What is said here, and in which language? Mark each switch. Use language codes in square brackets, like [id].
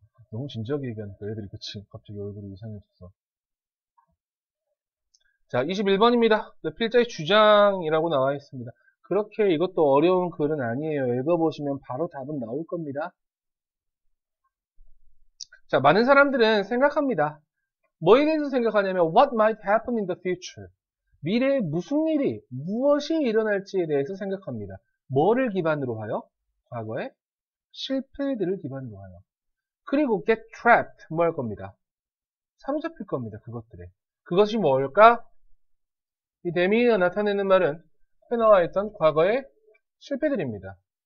[ko] 너무 진지하게 얘기하니까 애들이 그치 갑자기 얼굴이 이상해졌어. 자, 21번입니다. 필자의 주장이라고 나와 있습니다. 그렇게 이것도 어려운 글은 아니에요. 읽어보시면 바로 답은 나올 겁니다. 자, 많은 사람들은 생각합니다. 뭐에 대해서 생각하냐면 [en] What might happen in the future? [ko] 미래에 무슨 일이, 무엇이 일어날지에 대해서 생각합니다. 뭐를 기반으로 하여? 과거에 실패들을 기반으로 하여. 그리고 [en] get trapped [ko] 뭐 할 겁니다. 사로잡힐 겁니다. 그것들에. 그것이 뭘까? 이 데미가 나타내는 말은 앞에 나와 있던 과거의 실패들입니다.